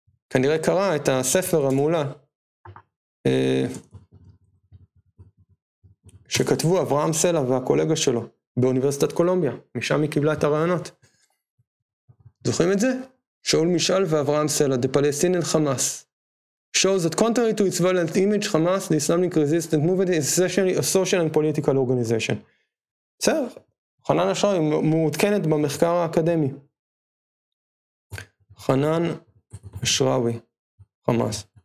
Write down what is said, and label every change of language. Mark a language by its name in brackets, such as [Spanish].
[Hebrew] כנראה קרא את הספר המעולה שכתבו אברהם סלע והקולגה שלו באוניברסיטת קולומביה. משם היא קיבלה את הרעיונות. זוכרים את זה? שאול משאל ואברהם סלע, [English] the Palestinian [Hebrew] חמאס. [English] Shows that contrary to its violent image, חמאס, the Islamic resistant movement is essentially a social and political organization. [Hebrew] בסדר, חנן השראוי מעודכנת במחקר האקדמי. חנן השראוי, חמאס.